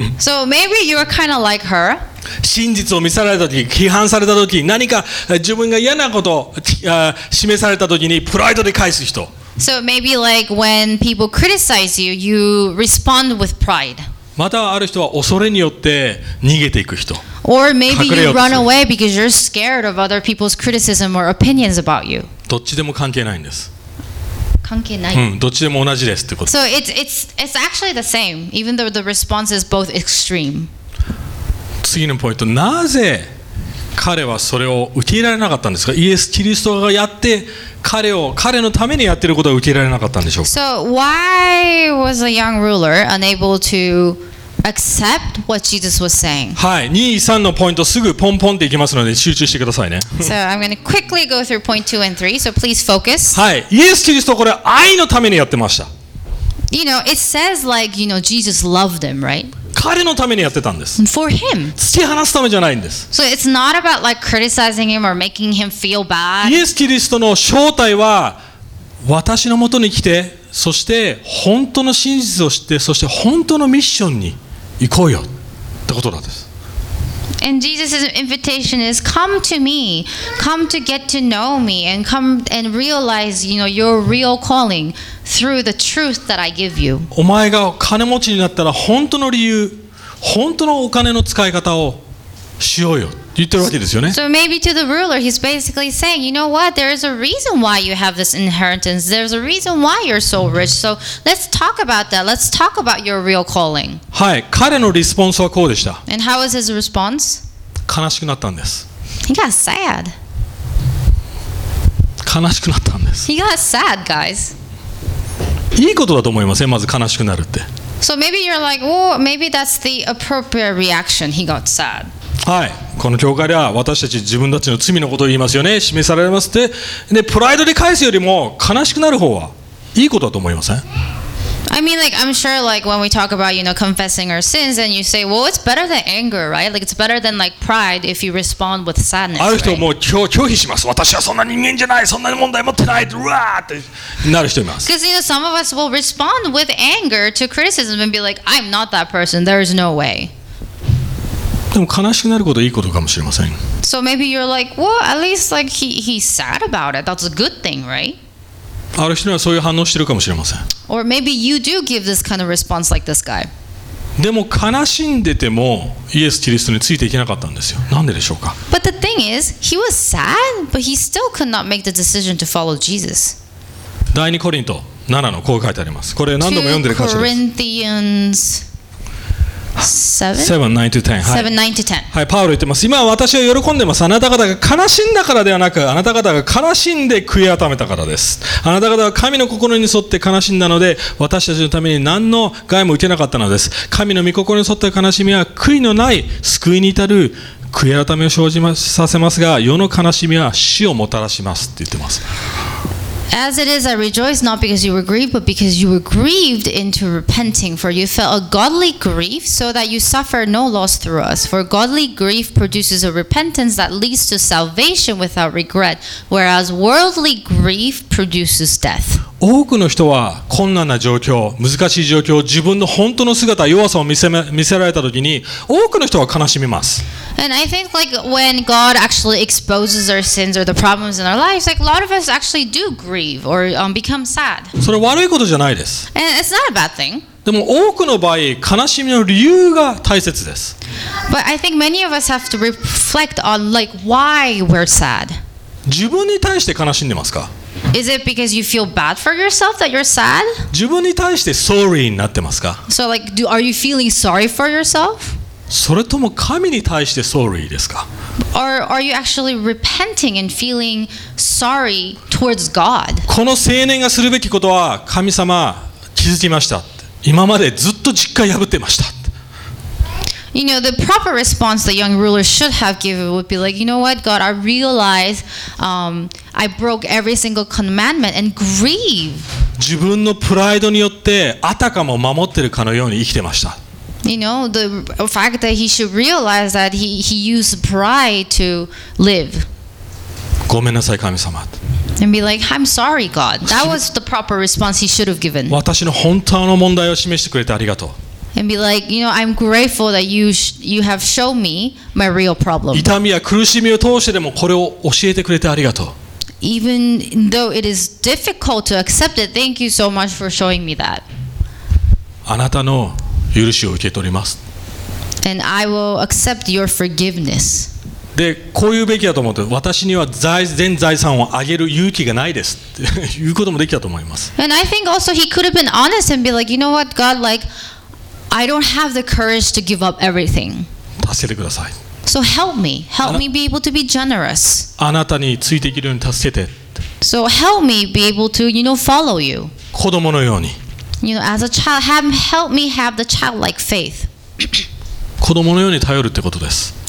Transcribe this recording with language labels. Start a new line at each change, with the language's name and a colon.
English: So maybe you are kind of like her.
Japanese: 真実を見せられたとき、批判されたとき、何か自分が嫌なことを示されたときにプライドで返す人。
English: So maybe like when people criticize you, you respond with pride.
Japanese: またはある人は恐れによって逃げていく人。
English: Or maybe you run away because you're scared of other people's criticism or opinions about you.
Japanese: どっちでも関係ないんです。関係ない。うん、どっちでも同じですってこと。
English: So it's actually the same, even though the response is both extreme.
Japanese: 次のポイント、なぜ彼はそれを受け入れられなかったんですか？イエス・キリストがやって彼のためにやってることを受け入れられなかったんでしょうか？
English: So why was a young ruler unable to accept what Jesus was saying?
Japanese: はい、2、3のポイントすぐポンポンっていきますので集中してくださいね。
English: So I'm going to quickly go through point 2 and 3, so please focus.
Japanese: はい、イエス・キリストこれ愛のためにやってました。
English: You know, it says like, you know, Jesus loved him, right?
Japanese: 彼のためにやってたんです。
English: For him.
Japanese: 突き放すためじゃないんです。
English: So it's not about like criticizing him or making him feel bad.
Japanese: イエス・キリストの正体は私の元に来て、そして本当の真実を知って、そして本当のミッションに行こうよってことなんです。
English: And Jesus' invitation is come to me, come to get to know me, and come and realize, you know, your real calling through the truth that I give you.
Japanese: お前が金持ちになったら本当の理由、本当のお金の使い方をしようよ。言ってるわけですよね。
English: So maybe to the ruler, he's basically saying, you know what? There is a reason why you have this inheritance. There's a reason why you're so rich. So let's talk about that. Let's talk about your real calling.
Japanese: はい、彼のリスポンスはこうでした。
English: And how was his response?
Japanese: 悲しくなったんです。
English: He got sad.
Japanese: 悲しくなったんです。
English: He got sad, guys.
Japanese: いいことだと思いません。まず悲しくなるって。
English: So maybe you're like, oh, maybe that's the appropriate reaction. He got sad.
Japanese: はい、この教会では私たち自分たちの罪のことを言いますよね、示されますって。でプライドで返すよりも悲しくなる方はいいことだと思いません？
English: I mean like I'm sure like when we talk about you know confessing our sins and you say well it's better than anger right like it's better than like pride if you respond with sadness
Japanese: ある人も拒否します。私はそんな人間じゃない、そんな問題持ってない、うわーってなる人います。
English: Because you know some of us will respond with anger to criticism and be like I'm not that person, there is no way.
Japanese: でも悲しくなることはいいことかもしれません。
English: So maybe you're like, well, at least like he's sad about it. That's a good thing, right?
Japanese: ある人にはそういう反応してるかもしれません。
English: Or maybe you do give this kind of response like this guy.
Japanese: でも悲しんでてもイエス・キリストについていけなかったんですよ。なんででしょうか？
English: But the thing is, he was sad, but he still could not make the decision to follow Jesus.
Japanese: 第二コリント7のこう書いてあります。これ何度も読んでる箇所です。
English: Corinthians 7? 7, 9 to 10.
Japanese: はい、パウロ言ってます。今私は喜んでます。あなた方が悲しんだからではなく、あなた方が悲しんで悔い改めたからです。あなた方は神の心に沿って悲しんだので、私たちのために何の害も受けなかったのです。神の御心に沿った悲しみは悔いのない救いに至る悔い改めを生じさせますが、世の悲しみは死をもたらしますって言ってます。
English: As it is, I rejoice not because you were grieved, but because you were grieved into repenting. For you felt a godly grief, so that you suffer no loss through us. For godly grief produces a repentance that leads to salvation without regret, whereas worldly grief produces death.
Japanese: 多くの人は困難な状況、難しい状況、自分の本当の姿、弱さを見せられた時に、多くの人は悲しみます。
English: And I think like when God actually exposes our sins or the problems in our lives, like a lot of us actually do grieve or become sad.
Japanese: それ悪いことじゃないです。
English: And it's not a bad thing.
Japanese: でも多くの場合、悲しみの理由が大切です。
English: But I think many of us have to reflect on like why we're sad.
Japanese: 自分に対して悲しんでますか？
English: Is it because you feel bad for yourself that you're sad?
Japanese: 自分に対して sorry になってますか？
English: So like, are you feeling sorry for yourself?
Japanese: それとも神に対して sorry ですか？
English: Or are you actually repenting and feeling sorry towards God?
Japanese: この青年がするべきことは、神様、気づきました。今までずっと実家破ってました。
English: You know, the proper response the young ruler should have given would be like, you know what, God, I realize I broke every single commandment and grieve.
Japanese: 自分のプライドによってあたかも守ってるかのように生きてました。
English: You know, the fact that he should realize that he used pride to live.
Japanese: ごめんなさい、神様。
English: And be like, I'm sorry, God. That was the proper response he should have given.
Japanese: 私の本当の問題を示してくれてありがとう。
English: And be like, you know, I'm grateful that you have shown me my real problem.
Japanese: 痛みや苦しみを通してでもこれを教えてくれてありがとう。
English: Even though it is difficult to accept it, thank you so much for showing me that.
Japanese: あなたの許しを受け取ります。
English: And I will accept your forgiveness.
Japanese: で、こういうべきだと思って、私には全財産をあげる勇気がないですっていうこともできたと思います。
English: And I think also he could have been honest and be like, you know what, God, like,I don't have the courage to give up everything.
Japanese: 助けてください。
English: So help me. Help me be able to be generous.
Japanese: あなたについていけるように助けて。
English: So help me be able to, you know, follow you.
Japanese: 子供のように。
English: You know, as a child, help me have the childlike faith.
Japanese: 子供のように頼るってことです。